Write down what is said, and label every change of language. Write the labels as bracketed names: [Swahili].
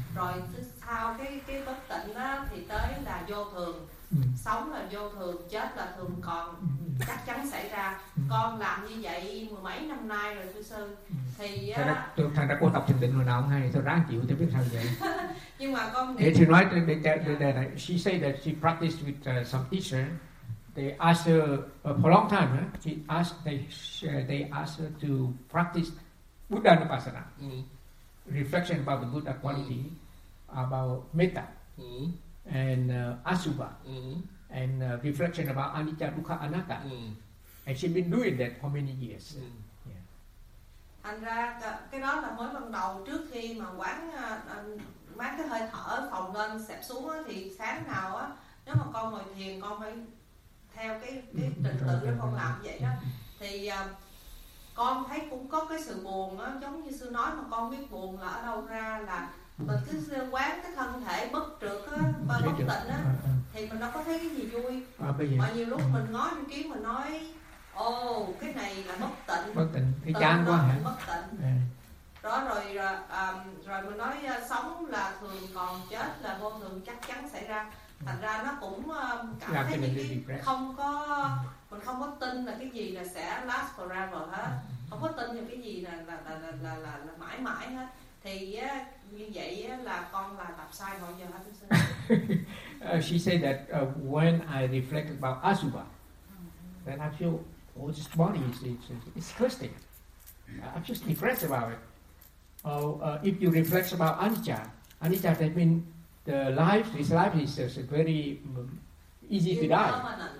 [Vietnamese] Rồi sau cái bất tịnh đó thì tới là vô thường. Sống là vô thường, chết là thường còn, chắc chắn xảy ra. Con làm như vậy mười mấy năm nay rồi, thưa sư. Thằng đã cố tập thiền định hồi nào không hay, tôi ráng chịu, tôi biết sao vậy. Nhưng mà con nghĩ... Thì nói, [English] she say that she practiced with some teacher. They asked her for a long time. Huh? She asked, they asked her to practice Buddha Nupassana, reflection about the Buddha quality, about metta, and asubha, and reflection about anicca, dukkha, anatta. And she's been doing that for many years. [Vietnamese] Thành ra cái đó là mới lần đầu, trước khi mà quán cái hơi thở phòng lên xẹp xuống á, thì sáng nào á, nếu mà con ngồi thiền con phải theo cái trình tự đó con làm vậy đó, thì con thấy cũng có cái sự buồn á, giống như sư nói mà con biết buồn là ở đâu ra, là mình cứ quán cái thân thể bất trực á, và bất tịnh á, thì mình đâu có thấy cái gì vui. Mà nhiều lúc mình ngó trên kiến mà nói ồ, cái này là bất tịnh. Bất tịnh, thì chán quá hả? Bất tịnh. Đó, rồi rồi mình nói sống là thường còn, chết là vô thường, chắc chắn xảy ra. Thành ra nó cũng cảm thấy những cái không có, mình không có tin là cái gì là sẽ [English] last forever [Vietnamese] hết. Không có tin những cái gì là mãi mãi hết. Thì như vậy là con là tập sai mọi giờ hết. [English] She said that when I reflect about Asuba, then I feel Oh, this body is disgusting. I'm just depressed about it. Oh, if you reflect about anicca, anicca, that means the life, this life is just very easy to die.